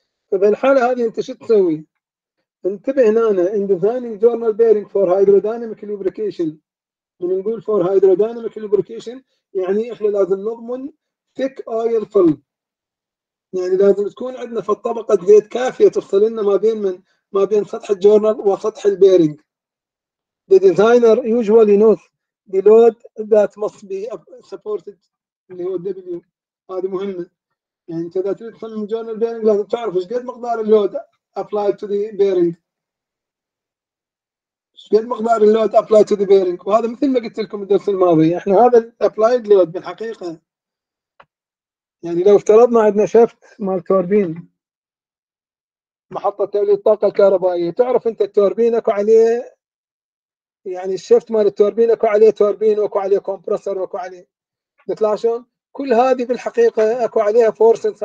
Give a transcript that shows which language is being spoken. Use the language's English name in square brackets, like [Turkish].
[Arabic] فبالحاله هذه انت شو تسوي؟ انتبه هنا ان ديزاينينج جورنال بيرنج فور هيدروداينامك لوبريكيشن. بنقول فور هيدروداينامك لوبريكيشن يعني احنا لازم نضمن تيك اويل فل. يعني لازم تكون عندنا في الطبقه زيت كافيه تفصل لنا ما بين سطح الجورنال وسطح البيرنج. [English] The designer usually knows the load that must be supported. [Arabic] اللي هو W هذه مهمة. يعني إذا تريد تصمم جورنال بيرنج لازم تعرف إيش قد مقدار اللود [English] applied to the bearing. [Arabic] إيش قد مقدار اللود [English] applied to the bearing. [Arabic] وهذا مثل ما قلت لكم الدرس الماضي. إحنا هذا applied load بالحقيقة. يعني لو افترضنا عندنا شافت مال توربين محطة توليد الطاقة الكهربائية تعرف أنت التوربين أكو عليه يعني الشفت مال التوربين اكو عليه توربين واكو عليه كومبرسر واكو عليه تلاحظون كل هذه بالحقيقه اكو عليها فورسز.